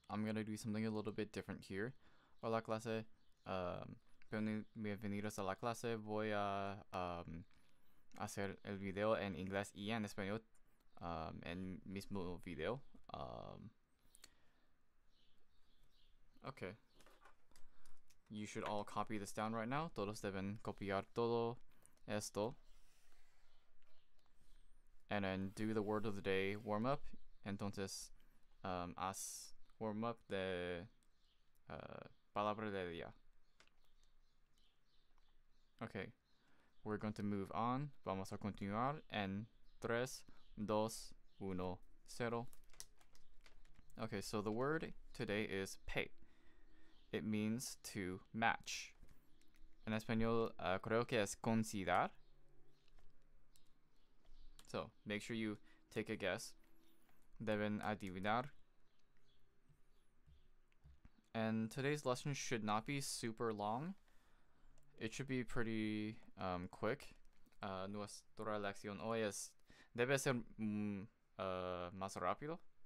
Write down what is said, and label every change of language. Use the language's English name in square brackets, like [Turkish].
[English] I'm going to do something a little bit different here. [Spanish] Hola clase, bienvenidos a la clase. Voy a hacer el video en inglés y en español en mismo video. [English] Okay. You should all copy this down right now. [Spanish] Todos deben copiar todo esto. [English] And then do the word of the day warm up. Entonces, haz warm up de palabra de día. Okay, we're going to move on. [Spanish] Vamos a continuar en 3, 2, 1, 0. [English] Okay, so the word today is pay. It means to match. [Spanish] En español, creo que es coincidir. [English] So, make sure you take a guess. [Spanish] Deben adivinar. [English] And today's lesson should not be super long. It should be pretty quick. [Spanish] Nuestra lección hoy es debe ser más rápido.